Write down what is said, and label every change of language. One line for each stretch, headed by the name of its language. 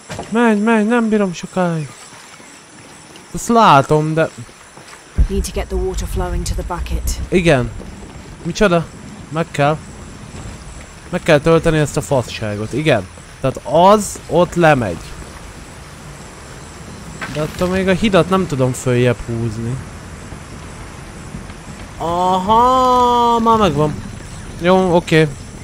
Hungarian: Menj, menj, nem bírom sokáig. Azt látom, de...
English: Need to get the water flowing to the bucket.
Hungarian: Igen. Micsoda? Meg kell. Meg kell tölteni ezt a faszságot. Igen. Tehát az ott lemegy. De attól még a hidat nem tudom följebb húzni. Aha, már megvan. Jó, oké. Okay.